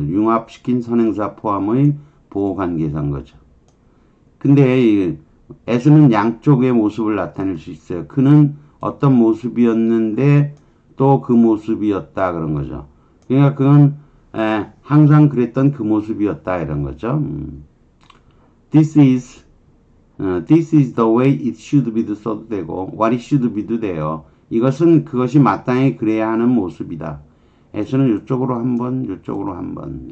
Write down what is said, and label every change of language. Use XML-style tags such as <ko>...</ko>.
<ko>융합시킨 선행사 포함의 보호관계사인 거죠. 근데 as는 양쪽의 모습을 나타낼 수 있어요. 그는 어떤 모습이었는데 또그 모습이었다. 그런 거죠. 그러니까 그건 항상 그랬던 그 모습이었다. 이런 거죠.</ko> <en>This is the way it should be도</en> <ko>써도 되고,</ko> <en>what it should be도</en> <ko>돼요. 이것은 그것이 마땅히 그래야 하는 모습이다. 에서는 이쪽으로 한 번, 이쪽으로 한 번.</ko>